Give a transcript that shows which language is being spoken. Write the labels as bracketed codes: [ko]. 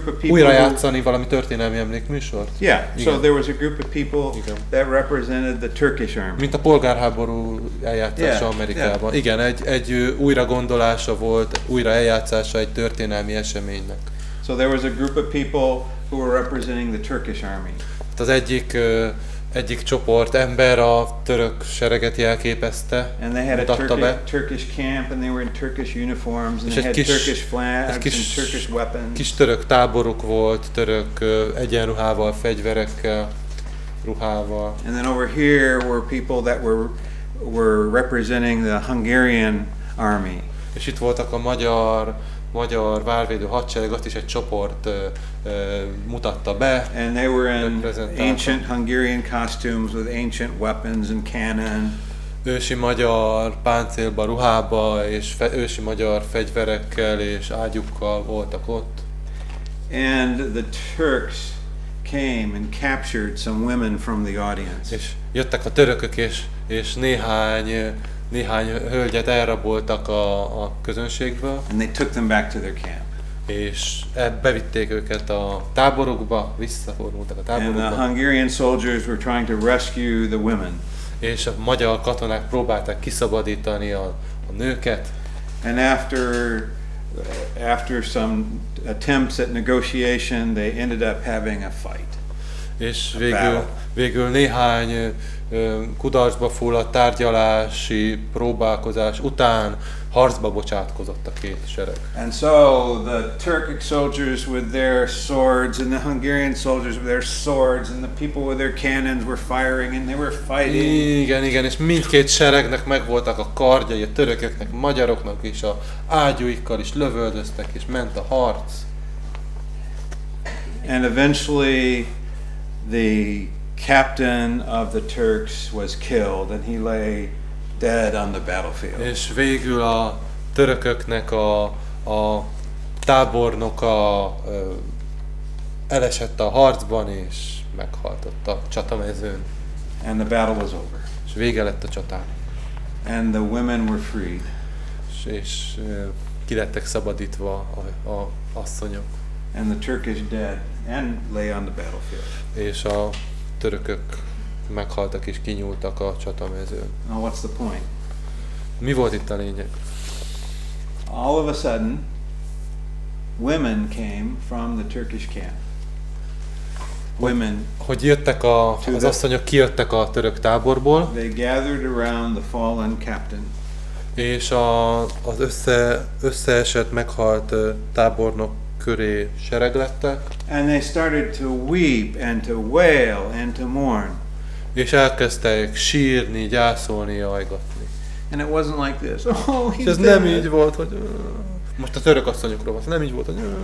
[hu] Újra játszani valami történelmi emlékműsort. Yeah. [en] Igen. So there was a group of people that represented the Turkish army. [hu] Mint a polgárháború eljátszása, yeah, Amerikában. Yeah. Igen, egy újra gondolása volt, újra eljátszása egy történelmi eseménynek. [en] So there was a group of people who were representing the Turkish army. [hu] Az egyik csoport ember a török sereget jelképezte, mutatta be. [en] Turkish camp and they were in Turkish uniforms and they had Turkish flags and Turkish weapons. [hu] Kis török táboruk volt, török egyenruhával, fegyverekkel, ruhával. [en] And then over here were people that were representing the Hungarian army. [hu] És itt voltak a magyar várvédő hadsereg, azt is egy csoport mutatta be. [en] And they were in ancient Hungarian costumes with ancient weapons and cannon. [hu] Ősi magyar páncélba, ruhába és ősi magyar fegyverekkel és ágyukkal voltak ott. [en] And the Turks came and captured some women from the audience. [hu] És jöttek a törökök és néhány néhány hölgyet elraboltak a közönségből. [en] And they took them back to their camp. [hu] És bevitték őket a táborukba, visszafordultak a táborukba. [en] And the Hungarian soldiers were trying to rescue the women. [hu] És a magyar katonák próbálták kiszabadítani a nőket. [en] And after some attempts at negotiation, they ended up having a fight. [hu] És végül néhány kudarcba fulladt tárgyalási próbálkozás után harcba bocsátkozott a két sereg. [en] And so the Turkic soldiers with their swords and the Hungarian soldiers with their swords and the people with their cannons were firing and they were fighting. [hu] Igen, és mindkét seregnek megvoltak a kardjai, a törököknek, a magyaroknak is, a ágyúikkal is lövöldöztek, és ment a harc. [en] And eventually the captain of the Turks was killed and he lay dead on the battlefield. [hu] És végül a törököknek a tábornoka elesett a harcban és meghalt ott a csatamezőn. [en] And the battle was over. [hu] És vége lett a csatának. [en] And the women were freed. [hu] És ki lettek szabadítva a asszonyok. [en] And the Turkish dead and lay on the battlefield. [hu] És a törökök meghaltak és kinyúltak a csatamezőn. [en] Now what's the point? [hu] Mi volt itt a lényeg? [en] All of a sudden, women came from the Turkish camp. Women. [hu] Hogy jöttek az asszonyok, kijöttek a török táborból. [en] They gathered around the fallen captain. [hu] És az összeesett, meghalt tábornok köré sereg lettek. [en] And they started to weep and to wail and to mourn. [hu] És elkezdtek sírni, gyászolni, ajgatni. [en] And it wasn't like this. Oh, [hu] és ez nem így volt, hogy most a török asszonyokról volt, nem így volt, hogy